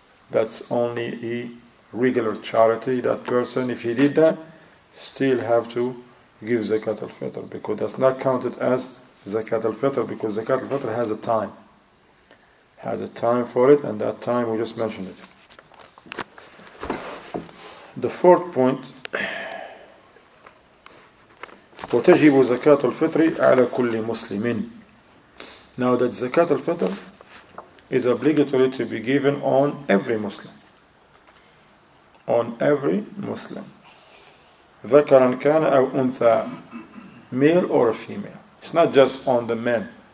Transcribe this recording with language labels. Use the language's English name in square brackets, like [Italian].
[English] That's only a regular charity. That person, if he did that, still have to give zakat al-fitr, because that's not counted as zakat al-fitr, because zakat al-fitr has a time for it, and that time we just mentioned it. The fourth point, [Arabic] وَتَجِبُ زَكَاتُ الْفِطْرِ عَلَى كُلِّ مُسْلِمٍ. [English] Now that zakat al-fitr is obligatory to be given on every Muslim. On every Muslim. [Arabic] ذَكَرًا كَانَ أَوْ أُنْثَى. [English] Male or female. It's not just on the men.